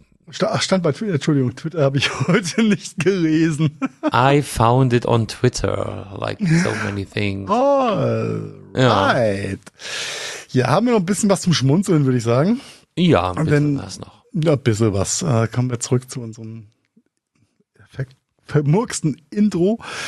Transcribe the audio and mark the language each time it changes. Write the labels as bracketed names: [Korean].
[German] stand bei Twitter, Entschuldigung, Twitter habe ich heute nicht gelesen. [English] I found it on Twitter, like so many things. All right. [German] Ja, haben wir noch ein bisschen was zum Schmunzeln, würde ich sagen. Ja, ein bisschen was noch. Ja, ein bisschen was. Kommen wir zurück zu unserem vermurksten Intro.